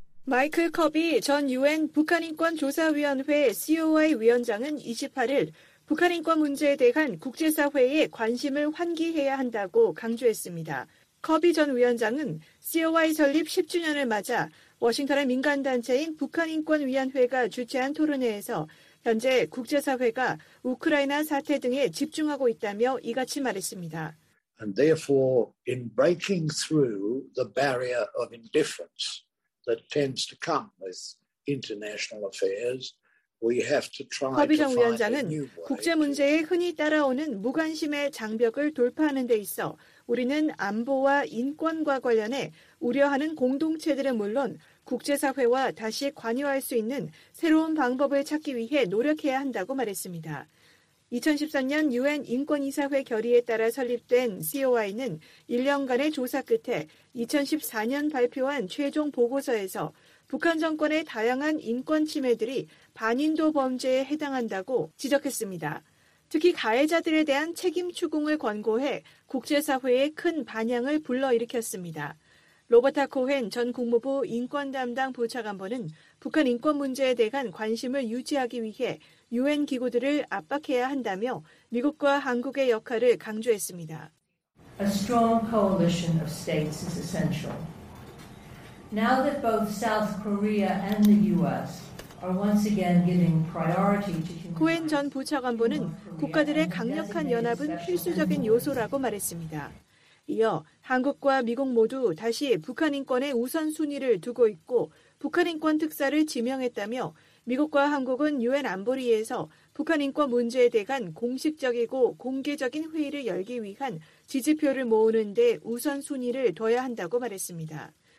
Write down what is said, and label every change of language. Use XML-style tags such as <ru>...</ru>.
<ko>마이클 커비 전 유엔 북한인권조사위원회 COI 위원장은 28일 북한인권 문제에 대한 국제사회의 관심을 환기해야 한다고 강조했습니다. 커비 전 위원장은 COI 설립 10주년을 맞아 워싱턴의 민간단체인 북한인권위원회가 주최한 토론회에서 현재 국제사회가 우크라이나 사태 등에 집중하고 있다며 이같이 말했습니다.</ko> <en>And therefore, in breaking through the barrier of indifference that tends to come with international affairs, we have to try to find a new way.</en> <ko>허비정 위원장은 국제 문제에 흔히 따라오는 무관심의 장벽을 돌파하는 데 있어 우리는 안보와 인권과 관련해 우려하는 공동체들은 물론 국제사회와 다시 관여할 수 있는 새로운 방법을 찾기 위해 노력해야 한다고 말했습니다. 2013년 유엔 인권이사회 결의에 따라 설립된 COI는 1년간의 조사 끝에 2014년 발표한 최종 보고서에서 북한 정권의 다양한 인권 침해들이 반인도 범죄에 해당한다고 지적했습니다. 특히 가해자들에 대한 책임 추궁을 권고해 국제사회의 큰 반향을 불러일으켰습니다. 로버타 코헨 전 국무부 인권 담당 부차관보는 북한 인권 문제에 대한 관심을 유지하기 위해 유엔 기구들을 압박해야 한다며 미국과 한국의 역할을 강조했습니다.</ko> <en>A strong coalition of states is essential. Now that both South Korea and the U.S. are once again giving priority to human rights,</en> <ko>구엔 전 부차관보는 국가들의 강력한 연합은 필수적인 요소라고 말했습니다. 이어 한국과 미국 모두 다시 북한 인권의 우선순위를 두고 있고 북한 인권 특사를 지명했다며 미국과 한국은 유엔 안보리에서 북한 인권 문제에 대한 공식적이고 공개적인 회의를 열기 위한 지지표를 모으는 데 우선순위를 둬야 한다고 말했습니다.</ko>